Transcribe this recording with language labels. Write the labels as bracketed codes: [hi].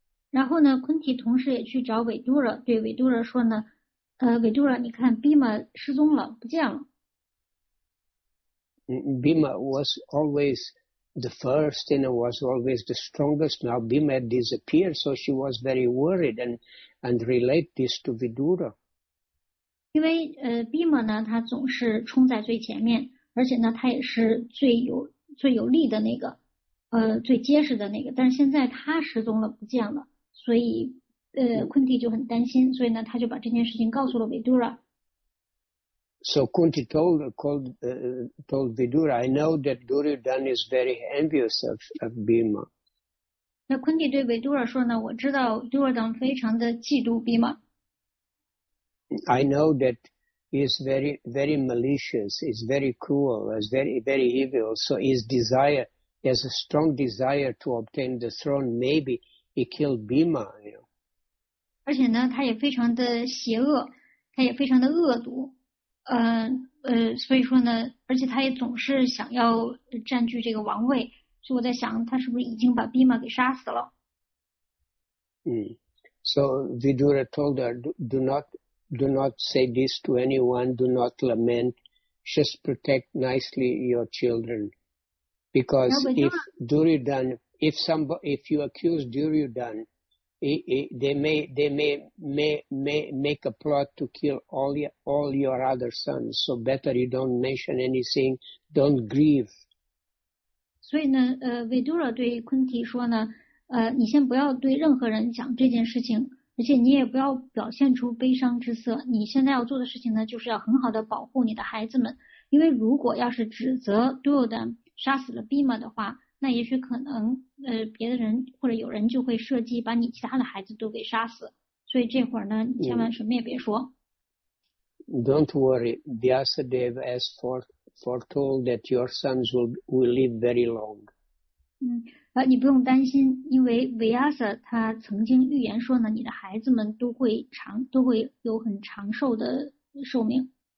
[zh] 然后呢 ，Kunti 同时也去找 Vidura， 对 Vidura 说呢，Vidura， 你看 Bhima 失踪了，不见了。 [en] Bhima was always the first, and was always the strongest. Now Bhima had disappeared, so she was very worried and relate this to Vidura. [zh] 因为Bhima 呢，他总是冲在最前面，而且呢，他也是最有力的那个，最结实的那个。但是现在他失踪了，不见了，所以Kunti 就很担心，所以呢，他就把这件事情告诉了 Vidura。 [en] So Kunti told Vidura, "I know that Duryodhana is very envious of Bhima." [zh] 那 Kunti 对 Vidura 说呢，我知道 Duryodhana 非常的嫉妒 Bhima。 [en] I know that he's very, very malicious. He's very cruel. He's very, very evil. So his desire, he has a strong desire to obtain the throne. Maybe he killed Bhima. You know. [zh] 而且呢，他也非常的邪恶，他也非常的恶毒。所以说呢，而且他也总是想要占据这个王位。所以我在想，他是不是已经把 Bhima 给杀死了？嗯。 [en] So Vidura told her, Do not say this to anyone. Do not lament. Just protect nicely your children, because if you accuse Duryodhana, they may make a plot to kill all your other sons. So better you don't mention anything. Don't grieve. [zh] 所以呢，Vidura 对 Kunti 说呢，你先不要对任何人讲这件事情。而且你也不要表现出悲伤之色，你现在要做的事情呢，就是要很好的保护你的孩子们，因为如果要是指责 Duryodhana 杀死了 Bhima 的话，那也许可能别的人或者有人就会设计把你其他的孩子都给杀死，所以这会儿呢你千万什么也别说。 [en] Don't worry, Vyasadeva has foretold that your sons will live very long. 嗯。 [zh] 你不用担心，因为 Vyasa 他曾经预言说呢，你的孩子们都会有很长寿的寿命。